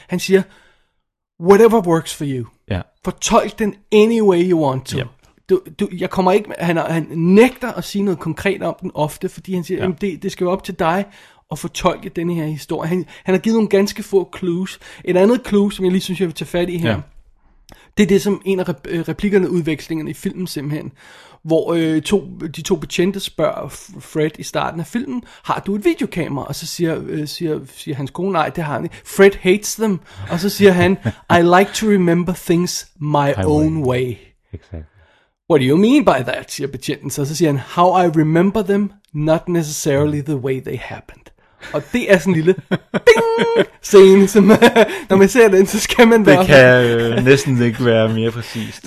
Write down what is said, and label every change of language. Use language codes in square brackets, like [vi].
[da] Han siger, [en] whatever works for you. Yeah. [da] Fortolk den [en] any way you want to. Yep. [da] Jeg kommer ikke, han nægter at sige noget konkret om den ofte, fordi han siger, yeah, det skal være op til dig at fortolke den her historie. Han har givet nogle ganske få [en] clues. [da] Et andet clue, som jeg lige synes, jeg vil tage fat i her, yeah, det er det, som en af replikkerne, udvekslingerne i filmen simpelthen, hvor de to betjente spørger Fred i starten af filmen, har du et videokamera? Og så siger hans kone, nej, det har han ikke. [en] Fred hates them. [da] Og så siger han, [en] I like to remember things my own way. Exactly. What do you mean by that, [da] siger betjenten. Så siger han, [en] how I remember them, not necessarily the way they happened. [da] Og det er sådan en lille ding-scene, som når man ser den, så skal man være... Det kan næsten ikke være mere præcist.